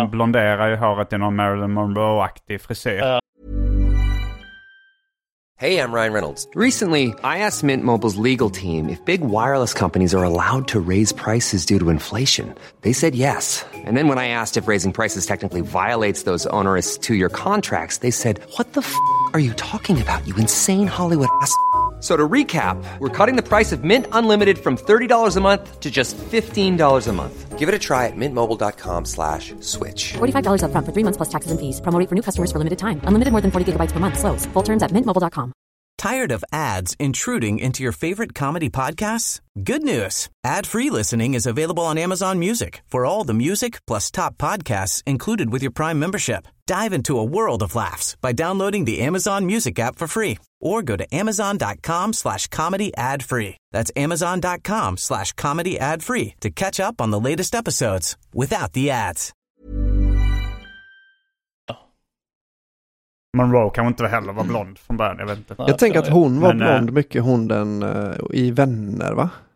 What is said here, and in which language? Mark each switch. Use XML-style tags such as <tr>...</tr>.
<sv>Hon blonderar ju håret i någon Marilyn Monroe-aktig frisyr. Ja.</sv> <en>Hey, I'm Ryan Reynolds. Recently, I asked Mint Mobile's legal team if big wireless companies are allowed to raise prices due to inflation. They said yes. And then when I asked if raising prices technically violates those onerous two-year contracts, they said, what the f*** are you talking about, you insane Hollywood ass f***? So to recap, we're cutting the price of Mint Unlimited from $30 a month to just $15 a month. Give it a try at mintmobile.com/switch. $45 up front for 3 months plus taxes and fees. Promo rate for new customers for limited time. Unlimited more than 40 gigabytes per month. Slows full terms at mintmobile.com. Tired of ads intruding into your favorite comedy podcasts? Good news. Ad-free listening is available on Amazon Music for all the music plus top podcasts included with your Prime membership. Dive into a world of laughs by downloading the Amazon Music app for free or go to amazon.com/comedyadfree. That's amazon.com/comedyadfree to catch up on the latest episodes without the ads.</en> <sv>Monroe kan inte heller vara blond från början, jag vet inte. Jag tänker att hon var blond mycket, hon den i Vänner, va?</sv>